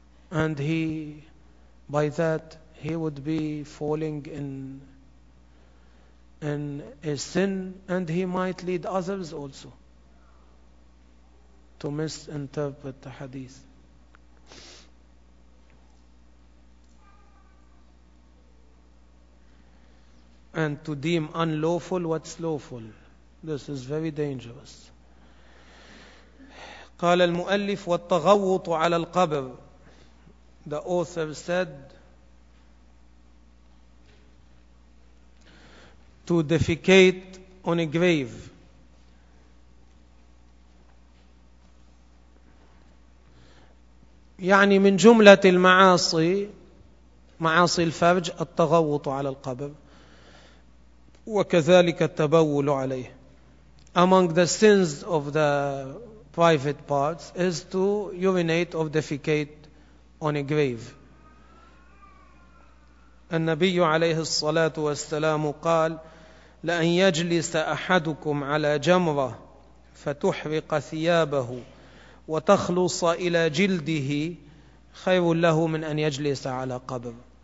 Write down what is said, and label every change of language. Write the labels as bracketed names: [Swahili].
[English] And he, by that, he would be falling in a sin, and he might lead others also to misinterpret the hadith. And to deem unlawful what's lawful. This is very dangerous. [Arabic] قال المؤلف والتغوط على القبر. [English] The author said, to defecate on a grave. [Arabic] يعني من جملة المعاصي معاصي الفرج التغوط على القبر وكذلك التبول عليه. [English] Among the sins of the private parts is to urinate or defecate on a grave. [Arabic] النبي عليه الصلاة والسلام قال لأن يجلس أحدكم على جمرة فتحرق ثيابه وتخلص إلى جلده خير له من أن يجلس على قبر.